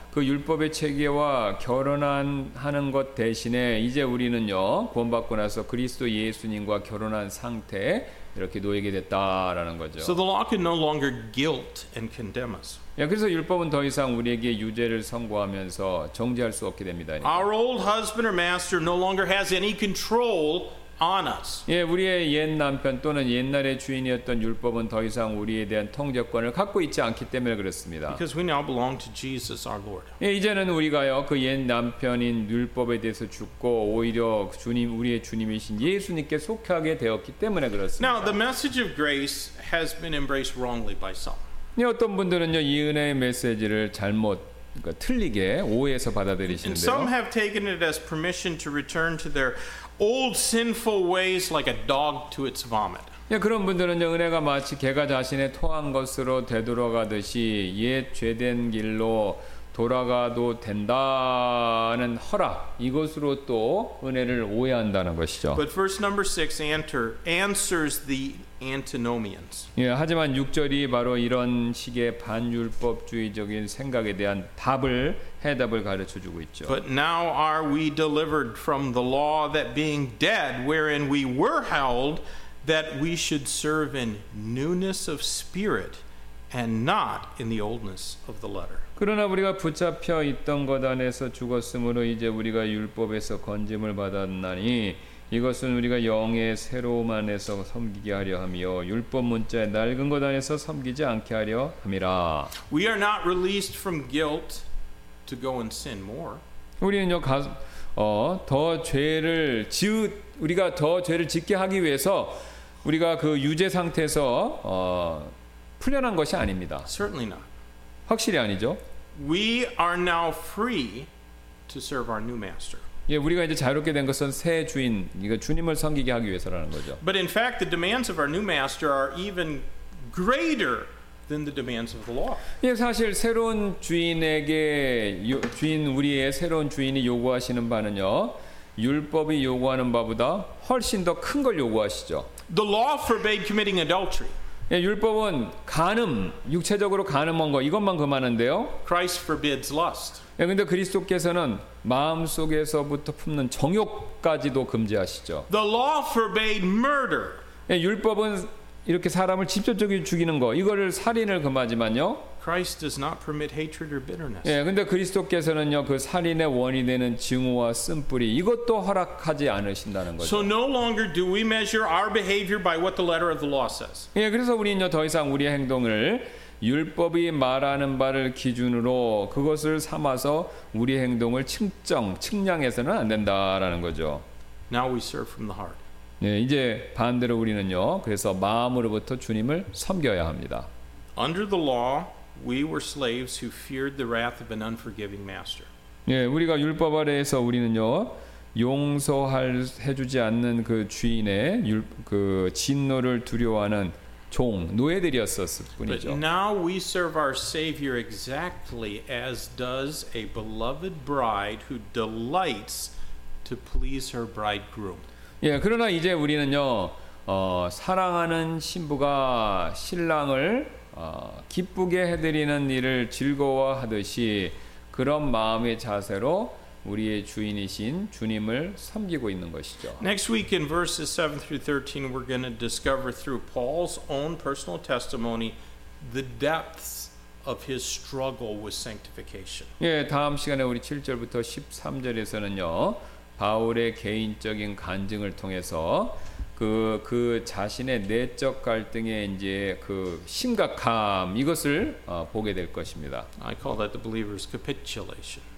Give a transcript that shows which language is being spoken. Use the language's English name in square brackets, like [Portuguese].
[Korean] 그 율법의 체계와 결혼한 하는 것 대신에 이제 우리는요. 구원받고 나서 그리스도 예수님과 결혼한 상태 이렇게 놓이게 됐다라는 거죠. [English] So the law can no longer guilt and condemn us. [Korean] 예, 그래서 율법은 더 이상 우리에게 유죄를 선고하면서 정죄할 수 없게 됩니다. 이제. [English] Our old husband or master no longer has any control on us. [Korean] 예, 우리의 옛 남편 또는 옛날의 주인이었던 율법은 더 이상 우리에 대한 통제권을 갖고 있지 않기 때문에 그렇습니다. [English] Because we now belong to Jesus our Lord. [Korean] 예, 이제는 우리가요, 그 옛 남편인 율법에 대해서 죽고 오히려 주님 우리의 주님이신 예수님께 속하게 되었기 때문에 그렇습니다. [English] Now the message of grace has been embraced wrongly by some. [Korean] 예, 어떤 분들은요, 이 은혜의 메시지를 잘못 그러니까 틀리게 오해해서 받아들이시는데요. [English] And some have taken it as permission to return to their old sinful ways like a dog to its vomit. [Korean] 예, 그런 분들은요, 은혜가 마치 개가 자신의 토한 것으로 되돌아가듯이 옛 죄된 길로 돌아가도 된다는 허락 이것으로 또 은혜를 오해한다는 것이죠. [English] But verse number 6 answers the antinomians. [Korean] 예, 하지만 6절이 바로 이런 식의 반율법주의적인 생각에 대한 답을 해답을 가르쳐 주고 있죠. [English] But now are we delivered from the law that being dead wherein we were held that we should serve in newness of spirit and not in the oldness of the letter. [Korean] 그러나 우리가 붙잡혀 있던 것 안에서 죽었으므로 이제 우리가 율법에서 건짐을 받았나니 이것은 우리가 영의 새로움 안에서 섬기게 하려 함이요 율법 문자의 낡은 것 안에서 섬기지 않게 하려 함이라. [English] We are not released from guilt to go and sin more. [Korean] 우리는요 더 죄를 우리가 더 죄를 짓게 하기 위해서 우리가 그 유죄 상태에서 풀려난 것이 아닙니다. [English] Certainly not. [Korean] 확실히 아니죠. [English] We are now free to serve our new master. [Korean] 예, 우리가 이제 자유롭게 된 것은 새 주인, 이거 주님을 섬기게 하기 위해서라는 거죠. [English] But in fact, the demands of our new master are even greater than the demands of the law. [Korean] 예, 사실 새로운 주인에게 주인 우리의 새로운 주인이 요구하시는 바는요, 율법이 요구하는 바보다 훨씬 더 큰 걸 요구하시죠. [English] The law forbade committing adultery. [Korean] 예, 율법은 간음, 육체적으로 간음한 거 이것만 금하는데요. [English] Christ forbids lust. [Korean] 예, 근데 그리스도께서는 마음속에서부터 품는 정욕까지도 금지하시죠. [English] The law forbade murder. [Korean] 예, 율법은 이렇게 사람을 직접적으로 죽이는 거, 이거를 살인을 금하지만요. [English] Christ does not permit hatred or bitterness. [Korean] 예, 근데 그리스도께서는요, 그 살인의 원인이 되는 증오와 쓴뿌리 이것도 허락하지 않으신다는 거죠. [English] So no longer do we measure our behavior by what the letter of the law says. [Korean] 예, 그래서 우리는요, 더 이상 우리의 행동을 율법이 말하는 바를 기준으로 그것을 삼아서 우리 행동을 측정, 측량해서는 안 된다라는 거죠. [English] Now we serve from the heart. [Korean] 네, 이제 반대로 우리는요. 그래서 마음으로부터 주님을 섬겨야 합니다. [English] Under the law, we were slaves who feared the wrath of an unforgiving master. [Korean] 네, 우리가 율법 아래에서 우리는요. 용서할 해주지 않는 그 주인의 그 진노를 두려워하는 종, 노예들이었었을 뿐이죠. [English] But now we serve our Savior exactly as does a beloved bride who delights to please her bridegroom. [Korean] 예, 그러나 이제 우리는요, 사랑하는 신부가 신랑을 기쁘게 해드리는 일을 즐거워하듯이 그런 마음의 자세로 우리의 주인이신 주님을 섬기고 있는 것이죠. [English] Next week in verses 7 through 13 we're going to discover through Paul's own personal testimony the depths of his struggle with sanctification. [Korean] 예, 다음 시간에 우리 7절부터 13절에서는요. 바울의 개인적인 간증을 통해서 그 자신의 내적 갈등의 이제 그 심각함 이것을 보게 될 것입니다. [English] I call that the believer's capitulation.